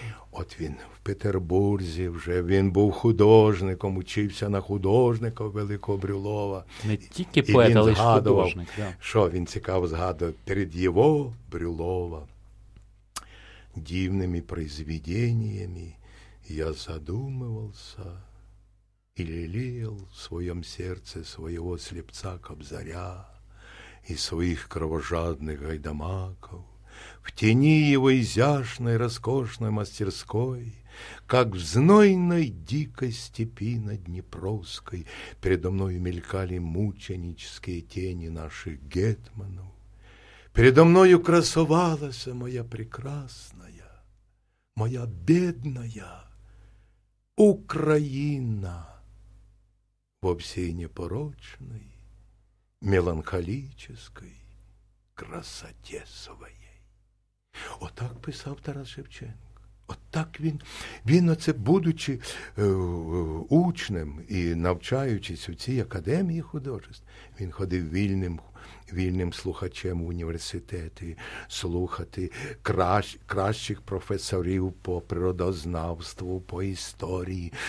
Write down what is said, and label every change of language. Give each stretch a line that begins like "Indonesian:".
Ukrainian: От він в Петербурзі вже, він був художником, учився на художника Великого Брюлова. Не тільки поет, але й художник. Да. Що він цікаво згадував? Перед його Брюлова дивними произведеннями
Russian: я задумывался и лелеял в своем сердце своего слепца Кобзаря и своих кровожадных гайдамаков в тени его изящной роскошной мастерской, как в знойной дикой степи над Днепровской передо мной мелькали мученические тени наших гетманов. Передо мною красовалась моя прекрасная, моя бедная Украина во всей непорочной, меланхолической красоте своей.
Ukrainian: Отак писав Тарас Шевченко. Отак він оце, будучи учнем і навчаючись у цій академії художеств, він ходив вільним слухачем в університети, слухати кращих професорів по природознавству, по історії.